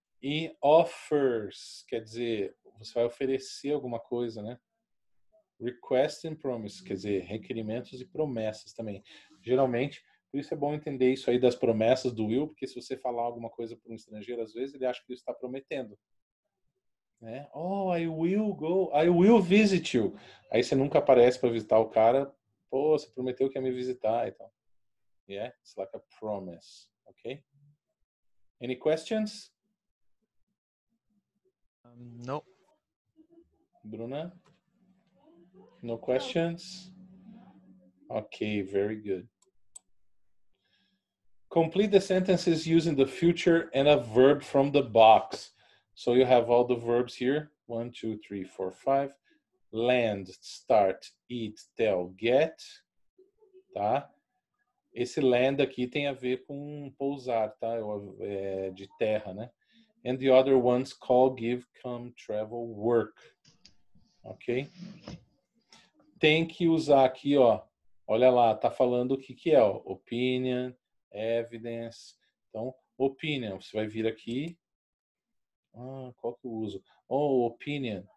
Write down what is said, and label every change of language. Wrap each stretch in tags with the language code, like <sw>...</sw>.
<pt>E offers, quer dizer, você vai oferecer alguma coisa, né? Requests and promises, quer dizer, requerimentos e promessas também. Geralmente, por isso é bom entender isso aí das promessas do Will, porque se você falar alguma coisa para um estrangeiro, às vezes ele acha que ele está prometendo. Né?</pt> <en>Oh, I will go, I will visit you.</en> <pt>Aí você nunca aparece para visitar o cara. Pô, você prometeu que ia me visitar.</pt> <en>Então. Yeah, it's like a promise. Ok? Any questions? No. Bruna? No questions? Ok, very good. Complete the sentences using the future and a verb from the box. So you have all the verbs here. 1, 2, 3, 4, 5. Land, start, eat, tell, get. Tá?</en> <pt>Esse land aqui tem a ver com pousar, tá? É de terra, né?</pt> <en>And the other ones, call, give, come, travel, work.</en> <pt>Ok? Tem que usar aqui, ó. Olha lá, tá falando o que que é, ó. Opinion. Evidence. Então, opinion. Você vai vir aqui. Ah, qual que eu uso? Oh, opinion.</pt>